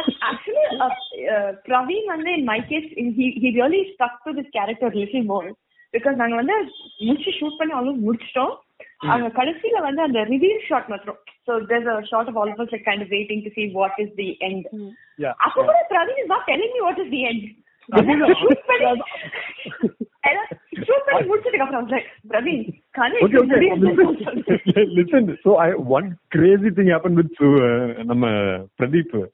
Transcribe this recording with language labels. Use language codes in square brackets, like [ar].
[en] Actually, Praveen [ta] வந்து [en] in my case, he really stuck to this character a little more. [ta] Because நாங்க வந்து முடிச்சு shoot பண்ணி அவ்வளவு முடிச்சிட்டோம், அங்க கடைசியில வந்து அந்த ரிவீல் ஷாட் மட்டும் [en] So there's a shot of all of us like kind of waiting to see what is the end. Yeah. Apart from that, Praveen is not telling me what is the end. Listen, so I one crazy thing happened with nama Pradeep.